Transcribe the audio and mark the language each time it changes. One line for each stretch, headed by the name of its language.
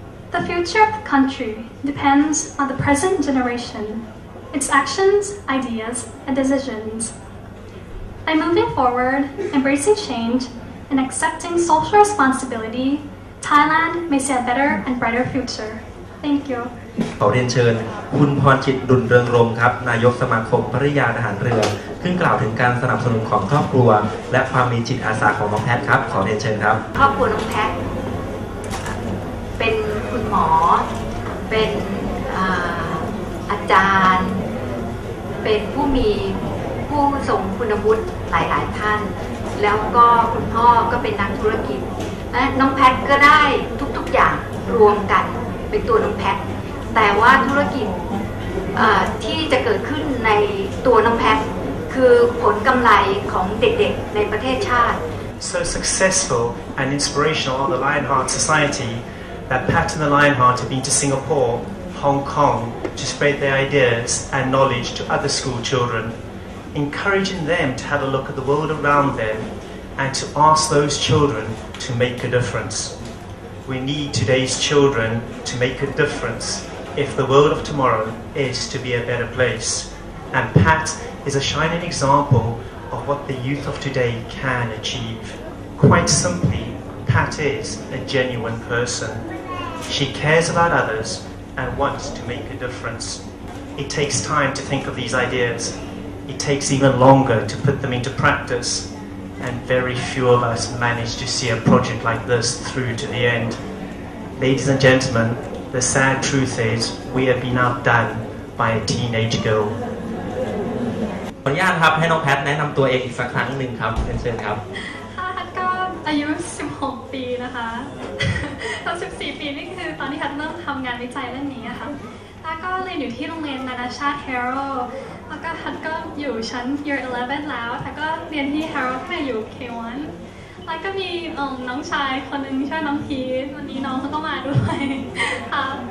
English: The future of the country depends on the present generation, its actions, ideas, and decisions. By moving forward, embracing change, and accepting social responsibility, Thailand may see a better and brighter future. Thank you.
Thai: ขอเรียนเชิญคุณพรจิตดุลเรืองรมครับนายกสมาคมภริยาทหารเรือขึ้นกล่าวถึงการสนับสนุนของครอบครัวและความมีจิตอาสาของน้องแพทครับขอเรียนเชิญครับ ครอบครัวน้องแพทเป็นคุณหมอเป็น อาจารย์เป็นผู้มีผู้ทรงคุณวุฒิหลายๆท่านแล้วก็คุณพ่อก็เป็นนักธุรกิจน้องแพทก็ได้ทุกๆอย่างรวมกันเป็นตัวน้องแพทแต่ว่าธุรกิจที่จะเกิดขึ้นในตัวน้องแพทคือผลกำไรของเด็กๆในประเทศชาติ
English: So successful and inspirational are the Lionheart Society that Pat and the Lionheart have been to Singapore, Hong Kong to spread their ideas and knowledge to other school children, encouraging them to have a look at the world around them and to ask those children to make a difference. We need today's children to make a difference. If the world of tomorrow is to be a better place. And Pat is a shining example of what the youth of today can achieve. Quite simply, Pat is a genuine person. She cares about others and wants to make a difference. It takes time to think of these ideas. It takes even longer to put them into practice. And very few of us manage to see a project like this through to the end. Ladies and gentlemen,The sad truth is we have been outdone by a teenage girl.
Thai: ขออนุญาตครับให้น้องแพทแนะนำตัวเองอีกสักครั้งหนึ่งครับเชิญครับ แพทก็อายุ16ปีนะคะตอน14ปีนี่คือตอนที่แพทเริ่มทำงานวิจัยเรื่องนี้ค่ะแล้วก็เรียนอยู่ที่โรงเรียนนานาชาติ Harrow แล้วก็แพทก็อยู่ชั้น Year 11แล้วแล้วก็เรียนที่ Harrow แค่อยู่ K1แล้วก็มีน้องชายคนหนึ่งชื่อน้องพีทวันนี้น้องเขาก็มาด้วยค่ะ